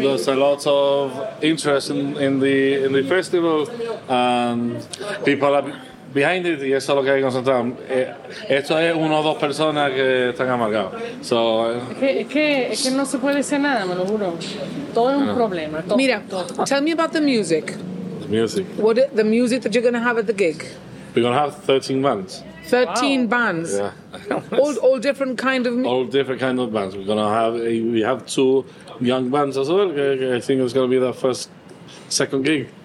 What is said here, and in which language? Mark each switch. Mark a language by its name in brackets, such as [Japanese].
[English] There's a lot of interest in the festival and people are. Behind it, [Spanish] y eso es lo que hay concentrado. Esto es una o dos personas que están amargados. [English] So, [Spanish] es que no se puede hacer nada, me lo juro. Todo es un problema. Todo, mira, todo. [English] Tell me about the music. The music. What the music that you're going to have at the gig? We're going to have 13 bands. 13 wow. Bands. Yeah. all different kind of. All different kind of bands. We're going to have. We have two young bands as well. I think it's going to be the second gig.